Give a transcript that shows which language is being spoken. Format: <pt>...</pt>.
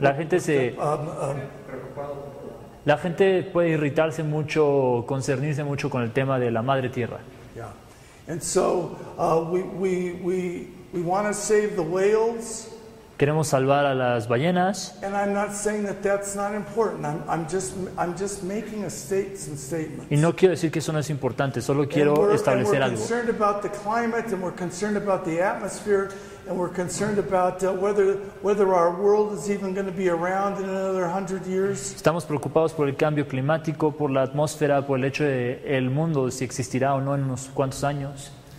<es>La gente puede irritarse mucho, concernirse mucho con el tema de la Madre Tierra.</es> <en>Yeah, and so we want to save the whales.</en> <es>Queremos salvar a las ballenas.</es> <en>And I'm not saying that that's not important. I'm just making some statements.</en> <es>Y no quiero decir que eso no es importante. Solo quiero establecer algo.</es> <en>And we're concerned about the climate, and we're concerned about the atmosphere, and we're concerned about whether our world is even going to be around in another 100 years.</en> <es>Estamos preocupados por el cambio climático, por la atmósfera, por el hecho de el mundo si existirá o no en unos cuantos años.</es>